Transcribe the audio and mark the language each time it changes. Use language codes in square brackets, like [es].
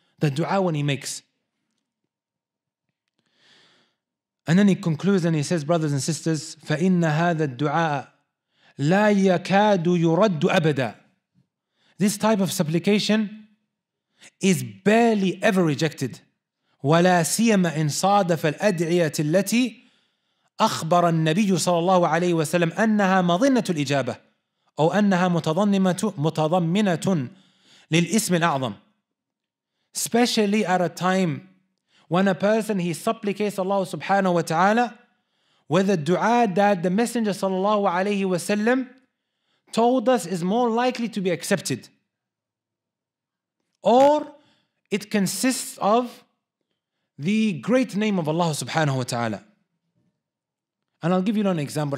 [en] The dua when he makes. And then he concludes and he says, brothers and sisters, [ar] فَإِنَّ هَذَا الدُّعَاءَ لا يكاد يرد أبدا. [en] This type of supplication is barely ever rejected. [ar] ولا سيما إن صادف الأدعية التي أخبر النبي صلى الله عليه وسلم أنها مضنة الإجابة أو أنها متضمنة للإسم الأعظم. [en] Especially at a time when a person he supplicates Allah subhanahu wa ta'ala with a dua that the Messenger صلى الله عليه وسلم told us is more likely to be accepted. Or it consists of the great name of Allah subhanahu wa ta'ala. And I'll give you an example.